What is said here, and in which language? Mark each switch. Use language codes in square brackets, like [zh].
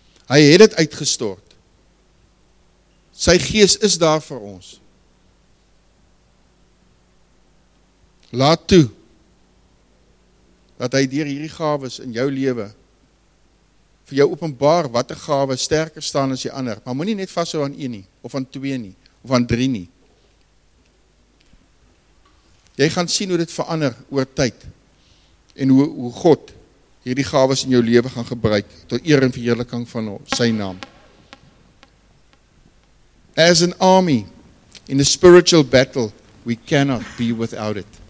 [af] Hy het dit uitgestort. Sy Gees is daar vir ons. Laat toe dat hy deur hierdie gawes in jou lewe vir jou openbaar watter gawes sterker staan as die ander. Maar moenie net vashou aan een nie, of aan twee nie, of aan drie nie. Jy gaan sien hoe dit verander oor tyd en hoe God hierdie gawes in jou lewe gaan gebruik tot eer en verheerliking van sy naam. [en] As an army in a spiritual battle, we cannot be without it.